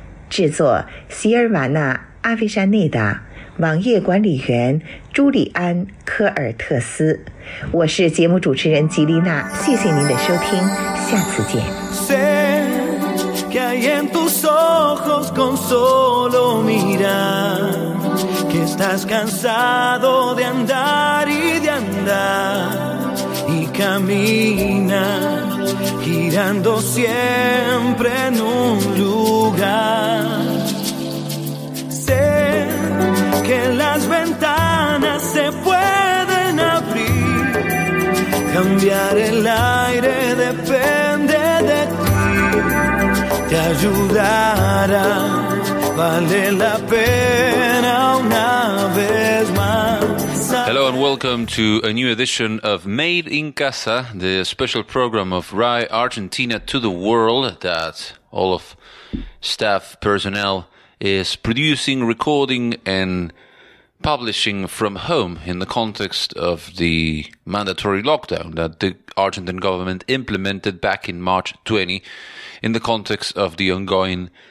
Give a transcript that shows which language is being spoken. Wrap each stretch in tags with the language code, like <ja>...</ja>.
<zh>制作：席尔瓦娜·阿维莎内达，网页管理员：朱莉安·科尔特斯。我是节目主持人吉丽娜，谢谢您的收听，下次见。</zh> <es>Que estás cansado de andar y de andar y camina girando siempre en un lugar. Sé que las ventanas se pueden abrir, cambiar el aire depende de ti. Te ayudará.</es> <en>Hello and welcome to a new edition of Made in Casa, the special program of RAI Argentina to the World that all of staff personnel is producing, recording and publishing from home in the context of the mandatory lockdown that the Argentine government implemented back in March 2020 in the context of the ongoing</en>